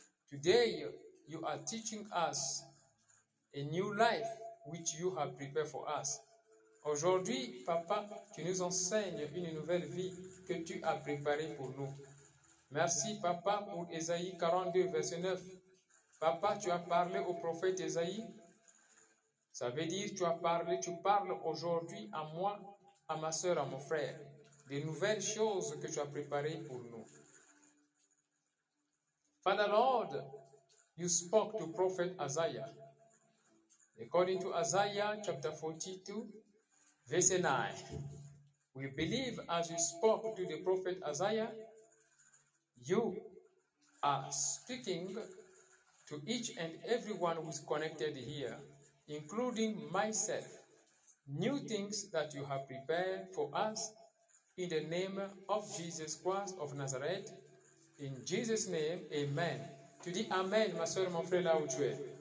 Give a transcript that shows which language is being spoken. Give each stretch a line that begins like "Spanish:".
English: Today, you are teaching us a new life which you have prepared for us.
French: Aujourd'hui, Papa, tu nous enseignes une nouvelle vie que tu as préparée pour nous. Merci, Papa, pour Ésaïe 42, verset 9. Papa, tu as parlé au prophète Ésaïe. Ça veut dire tu as parlé, tu parles aujourd'hui à moi, à ma sœur, à mon frère, des nouvelles choses que tu as préparées pour nous.
English: Father Lord, you spoke to prophet Isaiah. According to Isaiah chapter 42, verse 9, we believe as you spoke to the prophet Isaiah, you are speaking to each and everyone who is connected here, including myself, new things that you have prepared for us in the name of Jesus Christ of Nazareth. In Jesus' name, amen.
French: Tu dis amen, ma soeur, mon frère, là où tu es.